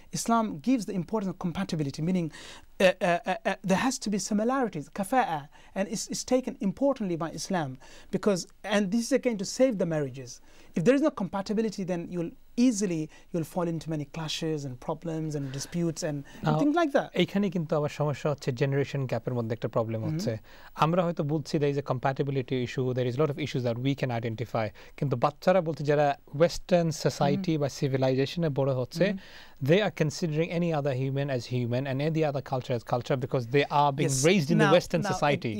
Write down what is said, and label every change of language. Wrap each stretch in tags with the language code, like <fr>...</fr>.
<en>Islam gives the importance of compatibility, meaning there has to be similarities, kafa'a, and it's taken importantly by Islam, because this is again to save the marriages. If there is no compatibility, then you'll easily fall into many clashes and problems and disputes and things like that.</en> <bn>এখানে কিন্তু আবার সমস্যা হচ্ছে generation gapের মধ্যে একটা problem হচ্ছে. আমরা হয়তো বলছি</bn> <en>there is a compatibility issue, there is a lot of issues that we can identify.</en> <bn>কিন্তু বাচ্চারা বলছে যারা Western society বা civilizationে বড় হচ্ছে,</bn> <en>they are considering any other human as human and any other culture as culture because they are being raised in the Western society.</en>